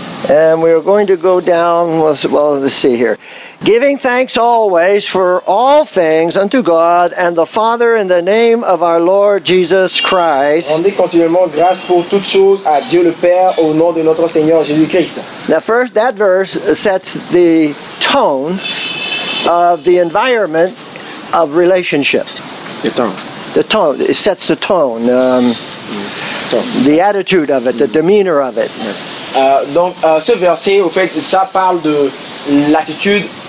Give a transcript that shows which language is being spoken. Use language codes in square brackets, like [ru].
[en] And we're going to go down, let's see here. Giving thanks always for all things unto God and the Father in the name of our Lord Jesus Christ. [fr] Rendez continuellement grâce pour toutes choses à Dieu le Père au nom de notre Seigneur Jésus Christ. [en] Now first, that verse sets the tone of the environment of relationship. The tone. The tone. It sets the tone. Tone. The attitude of it, the demeanor of it. [fr] Donc, ce verset, au fait, ça parle de l'attitude,